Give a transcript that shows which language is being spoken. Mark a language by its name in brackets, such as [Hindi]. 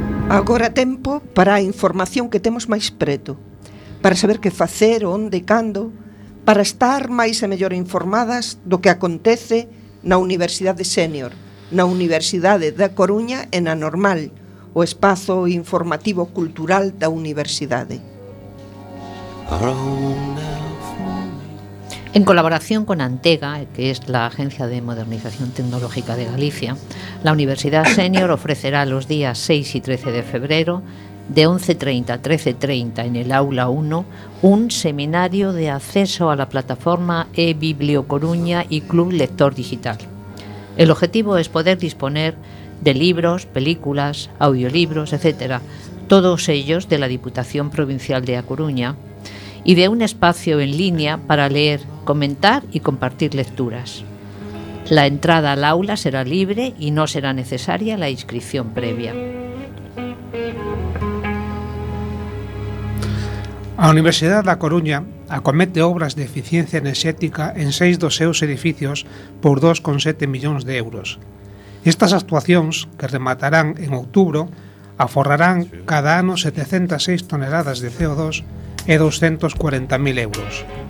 [Galician] agora tempo para a información que temos máis preto, para saber que facer, onde, cando, para estar máis e mellor informadas do que acontece na Universidade Senior, na Universidade da Coruña e na Normal, o espazo informativo cultural da Universidade. [Spanish] En colaboración con Antega, que es la Agencia de Modernización Tecnológica de Galicia, la Universidad Senior ofrecerá los días 6 y 13 de febrero, de 11:30 a 13:30 en el Aula 1, un seminario de acceso a la plataforma e-Bibliocoruña y Club Lector Digital. El objetivo es poder disponer de libros, películas, audiolibros, etcétera, todos ellos de la Diputación Provincial de A Coruña, y de un espacio en línea para leer, comentar y compartir lecturas. La entrada al aula será libre y no será necesaria la inscripción previa. [Galician] A Universidade da Coruña acomete obras de eficiencia enerxética en 6 dos seus edificios por 2,7 millóns de euros. Estas actuacións, que rematarán en outubro, aforrarán cada ano 706 toneladas de CO2 e 240.000 euros.